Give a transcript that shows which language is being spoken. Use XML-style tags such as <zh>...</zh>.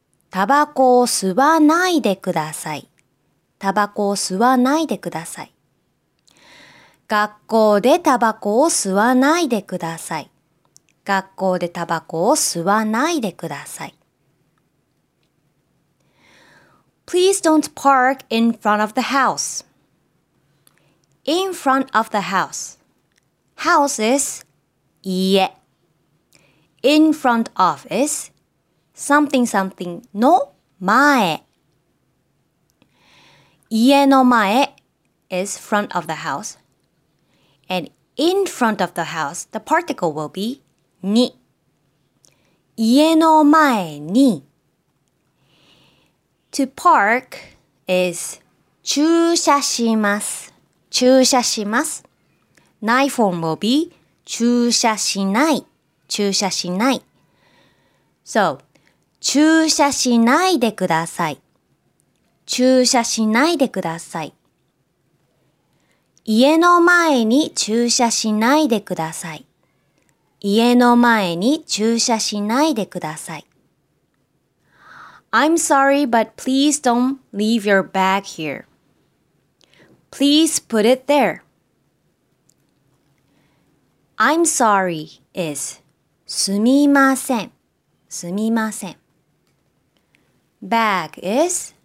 <ja>タバコを吸わないでください。タバコを吸わないでください。学校でタバコを吸わないでください。学校でタバコを吸わないでください。</ja> <en>Please don't park in front of the house. In front of the house. House is</en> <ja>家。</ja> <en>In front of is something something</en> <ja>の前。家の前</ja> <en>is front of the house. And in front of the house, the particle will be に。</en> <ja>家の前に。</ja> <en>To park is</en> <ja>駐車します。駐車します。ない</ja> <en>form will be</en> <ja>駐車しない。駐車しない。</ja> <en>So,</en> <ja>駐車しないでください。駐車しないでください。家の前に駐車しないでください。家の前に駐車しないでください。</ja> <en>I'm sorry, but please don't leave your bag here. Please put it there. I'm sorry is</en> <ja>すみません。すみません。</ja> <en>Bag is</en>